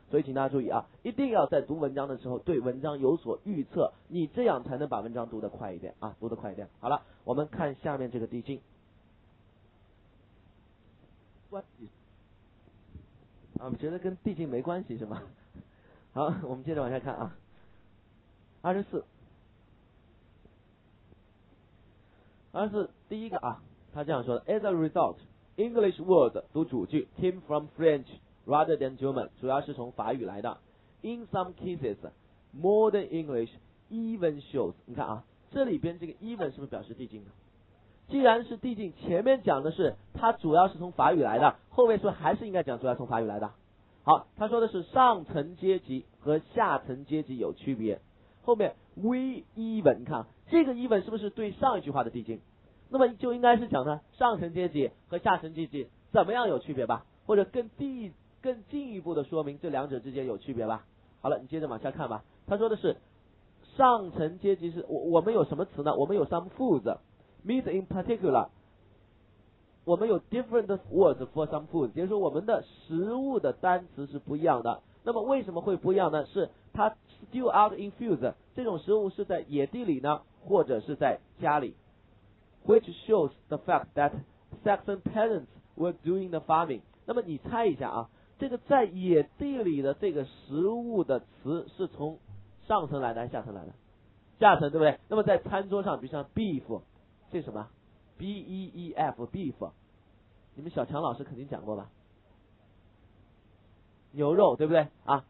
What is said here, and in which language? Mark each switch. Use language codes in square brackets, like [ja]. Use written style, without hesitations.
[zh] 所以请大家注意啊，一定要在读文章的时候对文章有所预测，你这样才能把文章读得快一点啊，读得快一点。好了，我们看下面这个递进。啊，觉得跟递进没关系是吗？好，我们接着往下看啊。 24第一个啊，他这样说的 ， [en] As a result, English words [zh] 读主句 [en] came from French rather than German， [zh] 主要是从法语来的。 [en] In some cases, modern English even shows， [zh] 你看啊，这里边这个 even 是不是表示递进的？既然是递进，前面讲的是它主要是从法语来的，后面是不是还是应该讲主要从法语来的？好，他说的是上层阶级和下层阶级有区别。后面 we even， 你看这个 even 是不是对上一句话的递进？那么就应该是讲呢，上层阶级和下层阶级怎么样有区别吧，或者更进一步的说明这两者之间有区别吧。好了，你接着往下看吧。他说的是上层阶级是我们有什么词呢？我们有 [en] some foods， meat in particular， [zh] 我们有 [en] different words for some foods， [zh] 也就是说我们的食物的单词是不一样的。那么为什么会不一样呢？是它 [en] still out in fields， [zh] 这种食物是在野地里呢，或者是在家里。 [en] Which shows the fact that Saxon peasants were doing the farming。 [zh] 那么你猜一下啊，这个在野地里的这个食物的词是从上层来的还是下层来的？下层，对不对？那么在餐桌上，比如像 beef， 这什么 beef， beef， 你们小强老师肯定讲过吧，牛肉，对不对啊？